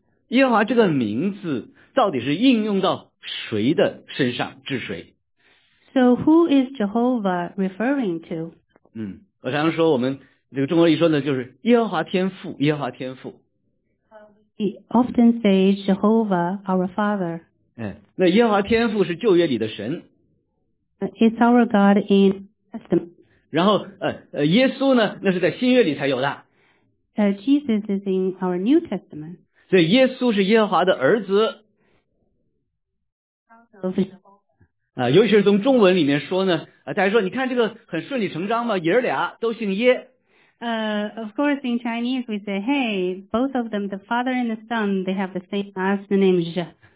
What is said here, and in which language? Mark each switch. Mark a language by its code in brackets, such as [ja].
[zh] 耶和华这个名字到底是应用到谁的身上，指谁？ [en] So who is Jehovah referring to? [zh] 我常常说我们这个中国人一说呢，就是耶和华天父，耶和华天父。 [en] We often say Jehovah our Father. [zh] 那耶和华天父是旧约里的神。 [en] It's our God in Testament. [zh] 然后耶稣呢，那是在新约里才有的。 [en] Jesus is in our New Testament. [zh] 所以耶稣是耶和华的儿子。尤其是从中文里面说呢，大家说你看这个很顺理成章嘛，爷儿俩都姓耶。 [en] Of course in Chinese we say, hey, both of them, the father and the son, they have the same last name, Zhe.